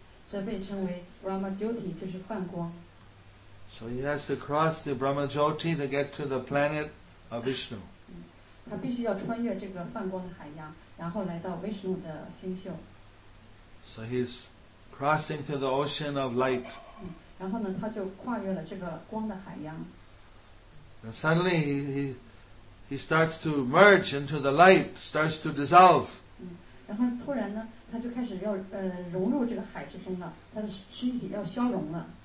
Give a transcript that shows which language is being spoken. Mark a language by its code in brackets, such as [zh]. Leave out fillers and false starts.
[zh] 这被称为 Brahma Jyoti, 就是梵光。 [en] So he has to cross the Brahma Jyoti to get to the planet of Vishnu. [zh] 他必须要穿越这个梵光的海洋，然后来到 Vishnu 的星宿。 [en] So he's crossing to the ocean of light. [zh] 然后呢，他就跨越了这个光的海洋。 [en] And suddenly he starts to merge into the light, starts to dissolve. [zh] 然后突然呢，他就开始要融入这个海之中了，他的身体要消融了。